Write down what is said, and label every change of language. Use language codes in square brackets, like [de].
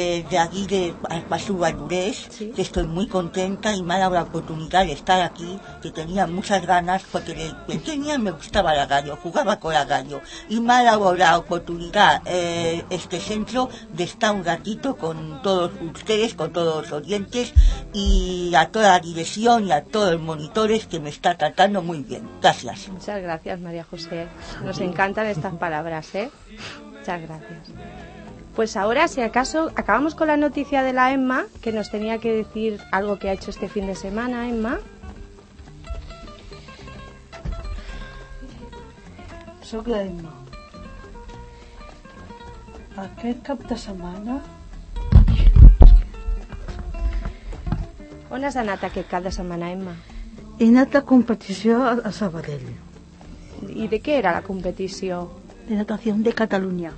[ca] D'aquí, de Espessur Valldoreix, sí. [es] Que estoy muy contenta y me ha dado la oportunidad de estar aquí, que tenía muchas ganas porque de pequeña me gustaba la radio, jugaba con la radio, y me ha dado la oportunidad este centro de estar un ratito con todos ustedes, con todos los oyentes, y a toda la dirección y a todos los monitores que me está tratando muy bien. Gracias. Muchas gracias, María José. Nos encanta estas palabras, muchas gracias. Pues ahora, si acaso, acabamos con la noticia de la Emma, que nos tenía que decir algo que ha hecho este fin de semana. Emma, soy la Emma. [ca] Aquest cap de semana, on has anat aquest cap de setmana, Emma? He anat a competició a Sabadell. [es] ¿Y de qué era la competición? De natación de Cataluña.